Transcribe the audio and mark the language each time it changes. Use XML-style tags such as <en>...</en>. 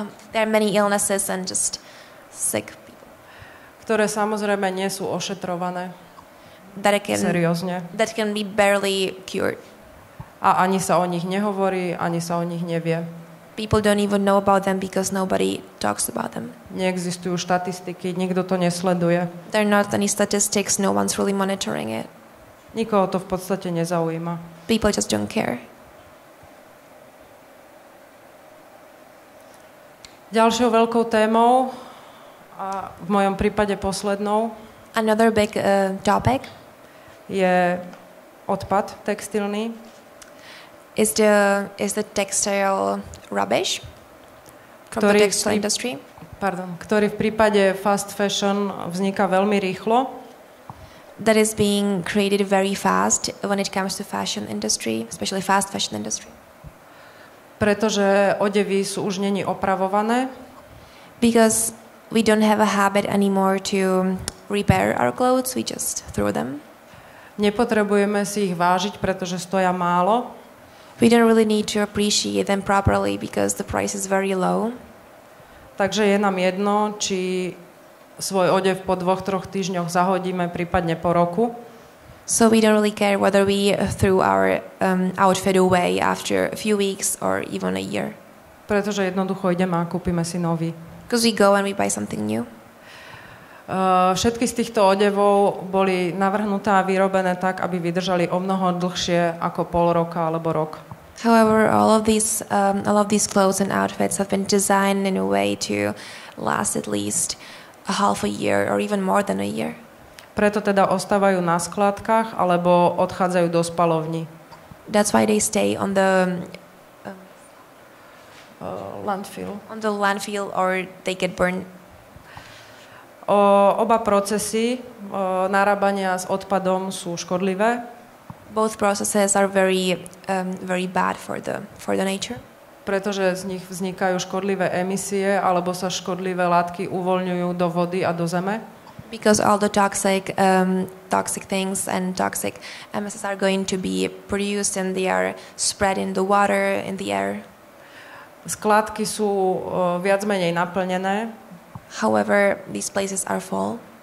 <en>There are many illnesses and just sick people.</en> <sk>Ktoré samozrejme nie sú ošetrované. Seriózne.</sk> <en>That can be barely cured.</en> <sk>A ani sa o nich nehovorí, ani sa o nich nevie.</sk> <en>People don't even know about them because nobody talks about them.</en> <sk>Neexistujú štatistiky, nikto to nesleduje.</sk> <en>There are not any statistics, no one's really monitoring it.</en> <sk>Nikoho to v podstate nezaujíma.</sk> <en>People just don't care.</en> <sk>Ďalšou veľkou témou a v mojom prípade poslednou.</sk> <en>Another big topic</en> <sk>je odpad textilný.</sk> <en>Is the textile rubbish from the textile industry?</en> <sk>Ktorý v prípade fast fashion vzniká veľmi rýchlo.</sk> <en>that is being created very fast when it comes to fashion industry, especially fast fashion industry.</en> <sk>Pretože odevy sú už neni opravované.</sk> <en>Because we don't have a habit anymore to repair our clothes, we just throw them.</en> <sk>Nepotrebujeme si ich vážiť, pretože stoja málo.</sk> <en>We don't really need to appreciate them properly because the price is very low.</en> <sk>Takže je nám jedno, či svoj odev po dvoch, troch týždňoch zahodíme, prípadne po roku.</sk> <en>So we don't really care whether we threw our outfit away after a few weeks or even a year.</en> <sk>Pretože jednoducho ideme a kúpime si nový.</sk> <en>Because we go and we buy something new.</en> <sk>Všetky z týchto odevov boli navrhnuté a vyrobené tak, aby vydržali o mnoho dlhšie ako pol roka alebo rok.</sk> <en>However, all of these clothes and outfits have been designed in a way to last at least a half a year or even more than a year.</en> <sk>Preto teda ostávajú na skladkách alebo odchádzajú do spalovní.</sk> <en>That's why they stay on the landfill. On the landfill or they get burned.</en> <sk>Oba procesy narábania s odpadom sú škodlivé.</sk> <en>Both processes are very very bad for the nature.</en> <sk>Pretože z nich vznikajú škodlivé emisie alebo sa škodlivé látky uvoľňujú do vody a do zeme.</sk> <en>Because all the toxic things and toxic emissions are going to be produced and they are spread in the water, in the air.</en> <sk>Skladky sú viac menej naplnené.</sk> <en>However, these places are full.</en>